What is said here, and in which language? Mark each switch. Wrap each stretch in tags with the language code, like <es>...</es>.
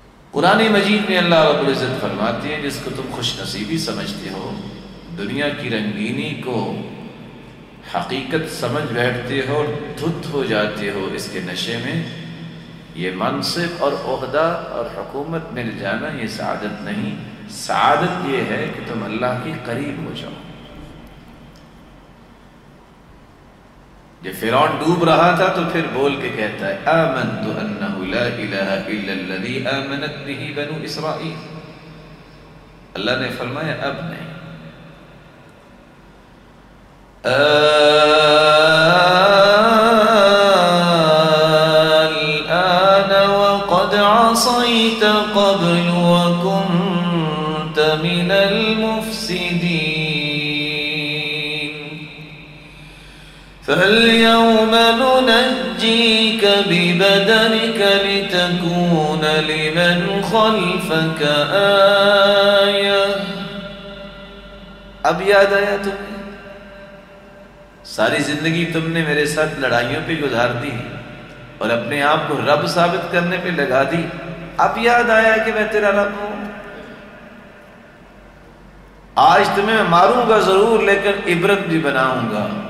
<ur>قرآن مجید میں اللہ رب العزت فرماتی ہے، جس کو تم خوش نصیبی سمجھتے ہو، دنیا کی رنگینی کو حقیقت سمجھ بیٹھتے ہو، دھت ہو جاتے ہو اس کے نشے میں، یہ منصب اور عہدہ اور حکومت مل جانا یہ سعادت نہیں. سعادت یہ ہے کہ تم اللہ کے قریب ہو جاؤ. جب فرعون ڈوب رہا تھا تو پھر بول کے کہتا ہے،</ur> <ar>آمنت انہ لا الہ الا الذی آمنت به بنو اسرائیل.</ar> <ur>اللہ نے فرمایا اب نہیں،</ur> <ar>الآن وقد عصيت قبل وكنت من المفسدين، فاليوم ننجيك ببدنك لتكون لمن خلفك آية.</ar> <ur>اب یاد آیا تم، ساری زندگی تم نے میرے ساتھ لڑائیوں پہ گزار دی اور اپنے آپ کو رب ثابت کرنے پہ لگا دی، اب یاد آیا کہ میں تیرا رب ہوں؟ آج تمہیں میں ماروں گا ضرور، لیکن عبرت بھی بناؤں گا.</ur>